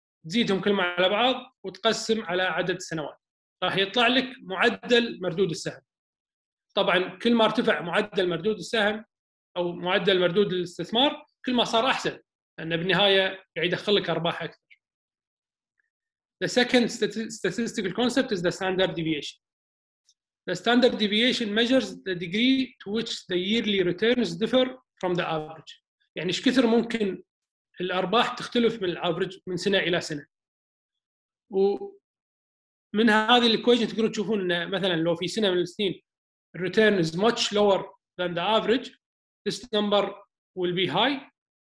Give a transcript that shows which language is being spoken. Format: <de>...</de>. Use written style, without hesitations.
<ar>تزيدهم كلهم على بعض وتقسم على عدد السنوات راح يطلع لك معدل مردود السهم. طبعا كل ما ارتفع معدل مردود السهم او معدل مردود الاستثمار كل ما صار احسن لان بالنهايه قاعد يدخل لك ارباح اكثر.</ar> <en>The second statistical concept is the standard deviation. The standard deviation measures the degree to which the yearly returns differ from the average.</en> <ar>يعني ايش كثر ممكن الأرباح تختلف من الأفرج من سنة إلى سنة. ومن هذه الإكواجن تقدرون تشوفون أن مثلاً لو في سنة من السنين</ar> <en>return is much lower than the average this number will be high.</en>